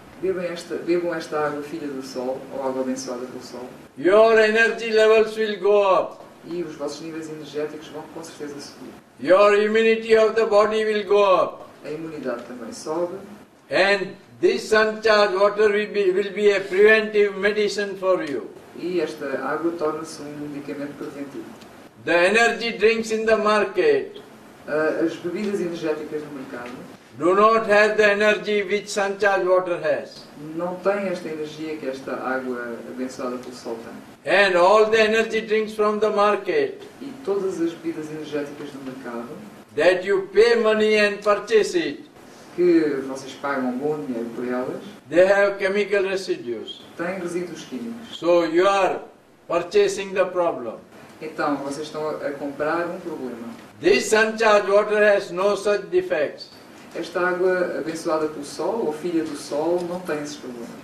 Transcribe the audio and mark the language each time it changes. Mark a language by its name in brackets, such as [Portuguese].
[Portuguese] Bebam esta água filha do sol, ou água abençoada pelo sol. [English] Your energy levels will go up. [Portuguese] E os vossos níveis energéticos vão com certeza subir. [English] Your immunity of the body will go up. [Portuguese] A imunidade também sobe. [English] And this sun-charged water will be a preventive medicine for you. [Portuguese] E esta água torna-se um medicamento preventivo. [English] The energy drinks in the market. [Portuguese] As bebidas energéticas no mercado [English] do not have the energy which sun-charged water has. [Portuguese] Não tem esta energia que esta água abençoada pelo sol tem. [English] And all the energy drinks from the market. [Portuguese] E todas as bebidas energéticas do mercado. [English] That you pay money and purchase it. [Portuguese] Que vocês pagam bom dinheiro por elas. [English] They have chemical residues. [Portuguese] Têm resíduos químicos. [English] So you are purchasing the problem. [Portuguese] Então vocês estão a comprar um problema. [English] This sun-charged water has no such defects. [Portuguese] Esta água abençoada pelo sol, ou filha do sol, não tem esses problemas.